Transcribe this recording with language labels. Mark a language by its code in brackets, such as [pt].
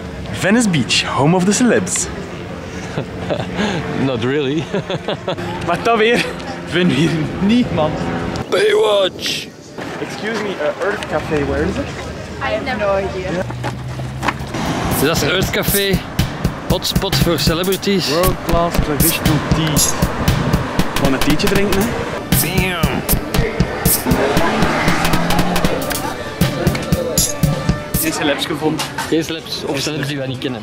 [en] Venice Beach, home of the celebs. Not really. [nl] Maar toch weer, vinden we hier niet, man. [en] Baywatch! Excuse me, Earth Café, where is it? I have no idea. [nl] Dat is Earth Café. Hotspot voor celebrities. [en] World class traditional tea. [nl] Gewoon een theetje drinken, hè? [en] Damn. [nl] Geen celebs gevonden. Geen celebs of celebs die wij niet kennen.